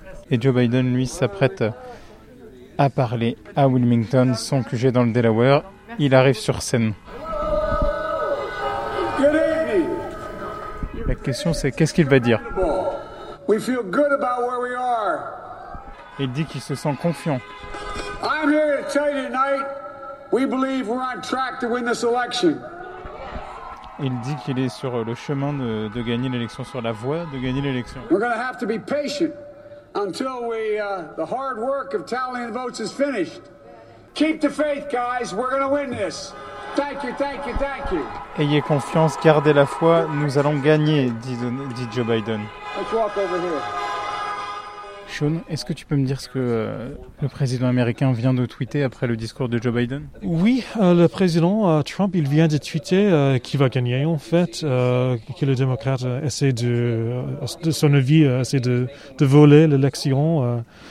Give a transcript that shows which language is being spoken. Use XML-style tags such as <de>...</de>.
<fr>Et Joe Biden, lui, s'apprête à parler à Wilmington, son QG dans le Delaware. Il arrive sur scène. La question, c'est qu'est-ce qu'il va dire ? Il dit qu'il se sent confiant.</fr> <en>I'm here to tell you tonight, we believe we're on track to win this election.</en> <fr>Il dit qu'il est sur le chemin de gagner l'élection, sur la voie de gagner l'élection.</fr> <en>We're going to have to be patient until the hard work of tallying the votes is finished. Keep the faith, guys, we're going to win this. Thank you, thank you, thank you.</en> <fr>Ayez confiance, gardez la foi, nous allons gagner, dit Joe Biden.</fr> <en>Let's walk over here.</en> <fr>Sean, est-ce que tu peux me dire ce que le président américain vient de tweeter après le discours de Joe Biden ? Oui, le président Trump, il vient de tweeter qu'il va gagner, en fait, que les démocrates essaient de son avis, essaient de voler l'élection.</fr>